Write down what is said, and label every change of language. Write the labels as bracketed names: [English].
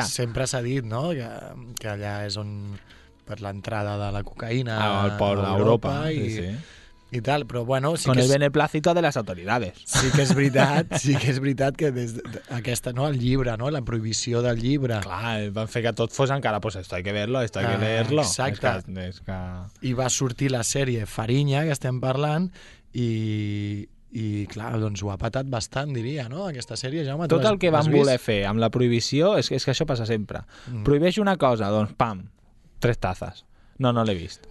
[Catalan] per allà. Sempre s'ha dit, no?, que allà és on... Per l'entrada de la cocaïna... Al port d'Europa. Sí. I tal, però bueno... Sí. [Spanish] Con el beneplácito de [Catalan] les autoritats. Sí que és veritat que des aquesta, no, el llibre, no, la prohibició del llibre... Clar, van fer que tot fos encara, [Spanish] pues esto hay que verlo, esto hay que leerlo. [Catalan] Exacte. És que... I va sortir la sèrie Farinha, que estem parlant, i clar, doncs ho ha patat bastant, diria, no, aquesta sèrie, Jaume. Tot el que van voler fer amb la prohibició, és que això passa sempre. Mm. Prohibeix una cosa, doncs pam, tres tazes. No l'he vist.